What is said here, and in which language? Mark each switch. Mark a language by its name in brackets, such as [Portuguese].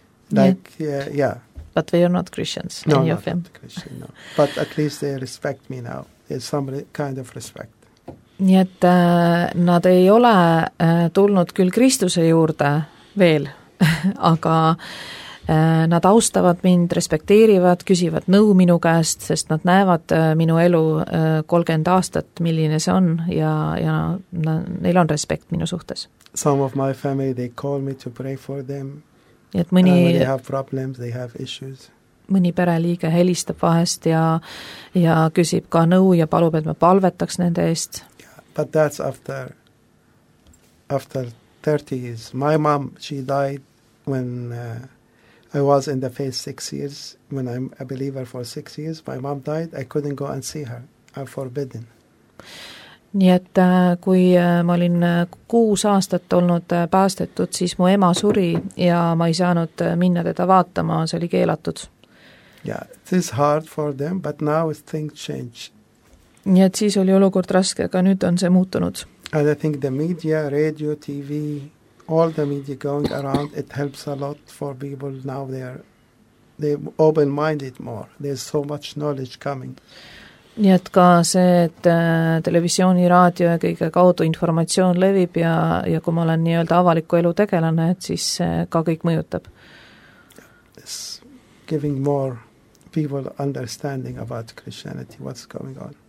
[English] Like, yeah. But they are not Christians. No, in your not film. Christian, no. But at least they respect me now. There's some kind of respect. [Estonian] Nii et nad ei ole tulnud küll Kristuse juurde veel, aga nad austavad mind, respekteerivad, küsivad nõu minu käest, sest nad näevad minu elu 30 aastat, milline see on ja neil on respekt minu suhtes. [English] Some of my family, they call me to pray for them. [Estonian] Et mõni, [English] and when they have problems, they have issues. [Estonian] mõni pereliige helistab vahest ja küsib ka nõu ja palub, et ma palvetaks nende eest. [English] But that's after 30s. My mom, she died when I was in the faith 6 years, when I'm a believer for 6 years. My mom died, I couldn't go and see her. I'm forbidden. [Estonian] Nii et kui ma olin 6 aastat olnud päästetud, siis mu ema suri ja ma ei saanud minna teda vaatama, see oli keelatud. [English] Yeah, it is hard for them, but now things change. [Estonian] Nii et siis oli olukord raske, aga nüüd on see muutunud. [English] And I think the media, radio, TV, all the media going around, it helps a lot for people now. They open-minded more. There's so much knowledge coming. [Estonian] Nii et ka see, et televisiooni, raadio ja kõige kaudu informatsioon levib ja kui ma olen nii-öelda avaliku elu tegelane, et siis ka kõik mõjutab. [English] It's giving more people understanding about Christianity, what's going on.